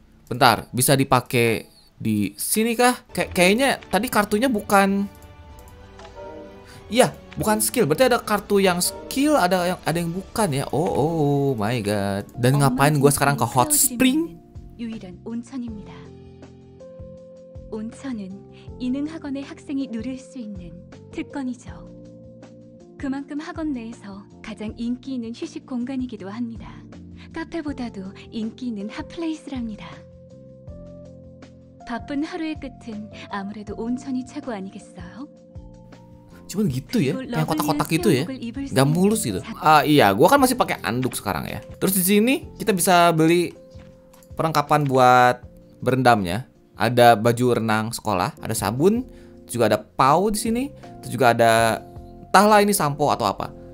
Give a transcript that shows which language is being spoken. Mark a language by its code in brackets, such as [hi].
[id] Bentar, bisa dipakai di sini kah? Kayaknya tadi kartunya bukan... Iya, bukan skill. Berarti ada kartu yang skill, ada yang bukan ya. [en] Oh, oh my god. [id] Dan ngapain gue sekarang ke hot spring? [ko] Yuiran onsen입니다. Onsen은 이능 학원의 학생이 누릴 수 있는 특권이죠. 그만큼 학원 내에서 가장 인기 있는 휴식 공간이기도 합니다. 카페보다도 인기 있는 핫플레이스랍니다. 바쁜 하루의 끝은 아무래도 온천이 최고 아니겠어요? [id] Cuman gitu ya, yang kotak-kotak gitu ya, nggak mulus gitu. Iya, gue kan masih pakai anduk sekarang ya. Terus di sini kita bisa beli perlengkapan buat berendamnya. Ada baju renang sekolah, ada sabun, juga ada pau di sini, terus juga ada entahlah ini sampo atau apa.